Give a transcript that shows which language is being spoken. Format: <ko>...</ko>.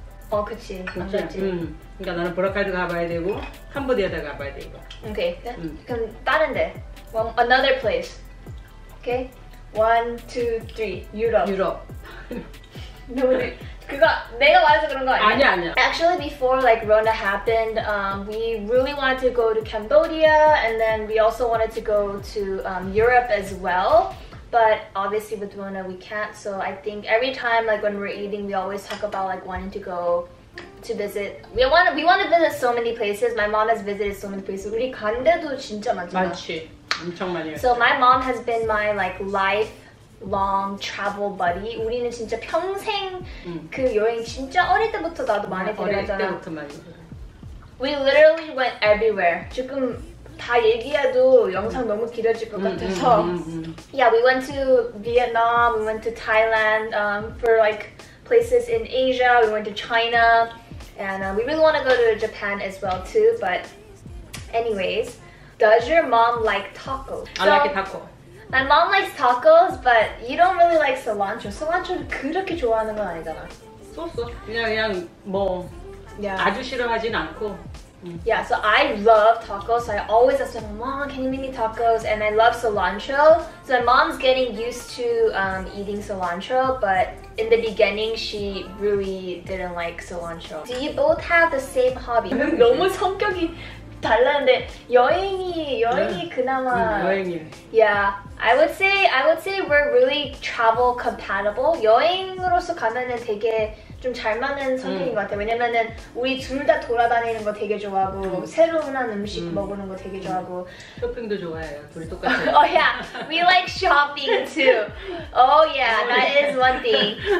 <ko>어, 그치. 그치? 안 갔지. 그러니까 나는 보라카이도 가봐야 되고 캄보디아도 가봐야 돼, 이거. 오케이. 그럼 다른 데.</ko> <en>One, another place.</en> <ko>오케이? 1, 2, 3. 유럽. 유럽. 그거 내가 말해서 그런 거 아니야? 아니야, 아니야.</ko> <en>Actually, before like Rona happened, we really wanted to go to Cambodia and then we also wanted to go to Europe as well. But obviously with Rona, we can't. So I think every time like when we're eating, we always talk about like wanting to go to visit. We want to visit so many places. My mom has visited so many places.</en> <ko>우리 간 데도 진짜 많잖아. 많지. 엄청 많이</ko> <en>So my mom has been my like life long travel buddy.</en> <ko>우리는 진짜 평생 그 여행 진짜 어릴 때부터 나도 많이 데려가잖아. 어릴 때부터 많이.</ko> <en>We literally went everywhere.</en> <ko>지금 다 얘기해도 영상 너무 길어질 것 같아서.</ko> <en>Yeah, we went to Vietnam, we went to Thailand for like places in Asia. We went to China, and we really want to go to Japan as well too. But anyways, does your mom like tacos? I like taco. My mom likes tacos, but you don't really like cilantro.</en> <ko>Cilantro는 그렇게 좋아하는 건 아니잖아. 소스 그냥 뭐 yeah. 아주 싫어하진 않고.</ko> <en>Yeah, so I love tacos. So I always ask my mom, can you make me tacos? And I love cilantro. So my mom's getting used to eating cilantro, but in the beginning, she really didn't like cilantro. Do you both have the same hobby?</en> <ko>너무 성격이 달랐는데 여행이 그나마 여행이.</ko> <en>Yeah, I would say we're really travel compatible.</en> <ko>여행으로서 가면은 되게 좀 잘 맞는 성격인 것 같아. 왜냐면은 우리 둘 다 돌아다니는 거 되게 좋아하고 새로운 음식 먹는 거 되게 좋아하고 쇼핑도 좋아해요. 둘이 똑같아요.</ko> <en>Oh yeah, we like shopping too. Oh yeah, that is one thing.</en>